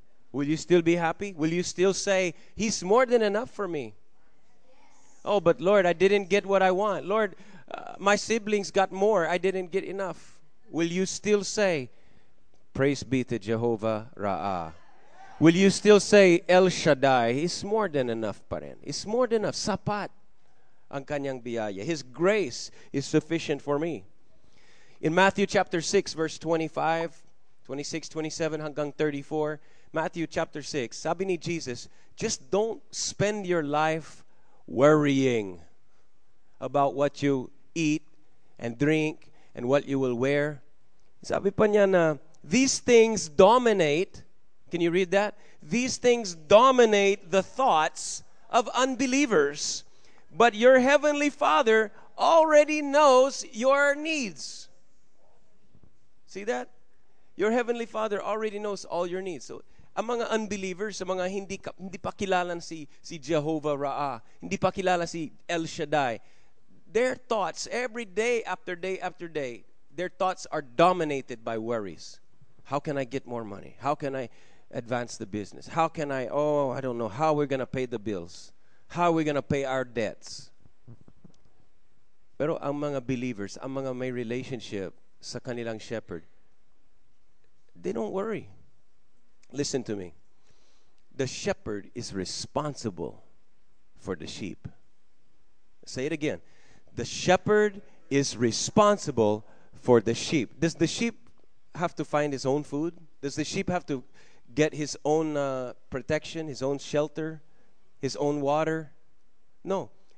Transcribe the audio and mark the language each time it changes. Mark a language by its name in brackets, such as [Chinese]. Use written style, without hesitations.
[English] Will you still be happy? Will you still say, He's more than enough for me? Yes. Oh, but Lord, I didn't get what I want. Lord, my siblings got more. I didn't get enough. Will you still say, Praise be to Jehovah Ra'ah? Will you still say, El Shaddai, He's more than enough, Parian. He's more than enough. [Filipino] Sapat ang kanyang biyaya. [English] His grace is sufficient for me. In Matthew chapter 6, verse 25, 26, 27, hanggang 34, Matthew chapter 6, [Filipino] sabi ni Jesus, [English] just don't spend your life worrying about what you eat and drink and what you will wear. [Filipino] Sabi pa niya na, [English] these things dominate, can you read that? These things dominate the thoughts of unbelievers, but your heavenly Father already knows your needs. See that? Your heavenly Father already knows all your needs. So, among unbelievers, among [Filipino] hindi pa kilalan si Jehovah Ra'ah, hindi pa kilala si El Shaddai, [English] their thoughts, every day after day after day, their thoughts are dominated by worries. How can I get more money? How can I advance the business? How can I, I don't know, how we're going to pay the bills? How are we going to pay our debts? [Filipino] Pero ang mga believers, ang mga may relationship sa kanilang shepherd, [English] they don't worry. Listen to me. The shepherd is responsible for the sheep. Say it again. The shepherd is responsible for the sheep. Does the sheep have to find his own food? Does the sheep have to get his own protection, his own shelter, his own water? No.